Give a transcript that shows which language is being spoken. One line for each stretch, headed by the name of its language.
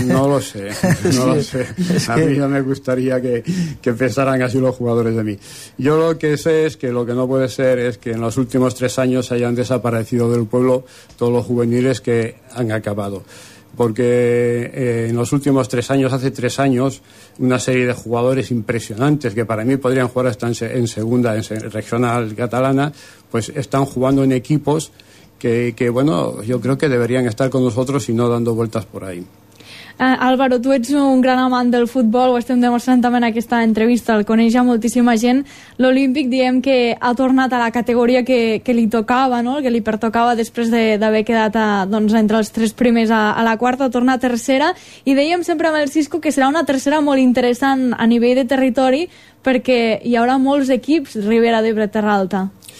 Spanish: No lo sé. A mí no me gustaría que pensaran así los jugadores de mí. Yo lo que sé es que lo que no puede ser es que en los últimos 3 años hayan desaparecido del pueblo todos los juveniles que han acabado. Porque en los últimos 3 años, hace 3 años, una serie de jugadores impresionantes que para mí podrían jugar hasta en segunda, en regional catalana, pues están jugando en equipos que bueno, yo creo que deberían estar con nosotros y no dando vueltas por ahí.
Catalan: Álvaro, tu ets un gran amant del futbol, ho estem demostrant també en aquesta entrevista, el coneix ja moltíssima gent. L'Olímpic, diem que ha tornat a la categoria que li tocava, no? El que li pertocava després d'haver quedat doncs, entre els 3 primers a la quarta, torna a tercera, i dèiem sempre amb el Cisco que serà una tercera molt interessant a nivell de territori perquè hi haurà molts equips Ribera d'Ebre Terra Alta.